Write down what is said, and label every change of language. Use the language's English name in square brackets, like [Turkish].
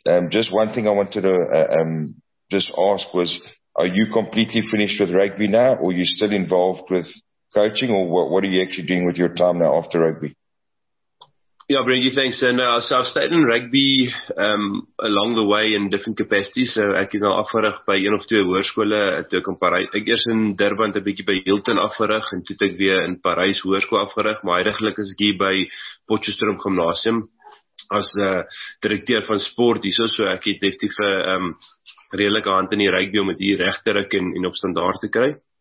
[English] Just one thing I wanted to just ask was, are you completely finished with rugby now, or are you still involved with coaching, or what are you actually doing with your time now after rugby? Yeah, Brent, thanks. And so I've stayed in rugby along the way in different capacities. [Afrikaans] So ek het nou afgerig by een of twee hoërskole, toe ek in Parys. Ek eers in Durban 'n bietjie by Hilton afgerig en toe ek weer in Parys hoërskool afgerig, maar heidaglik is ek hier by Potchefstroom Gymnasium as direkteur van sport hier, so ek het effektiewe redelike hand in die rugby om dit hier reg te ruk en op standaard te kry.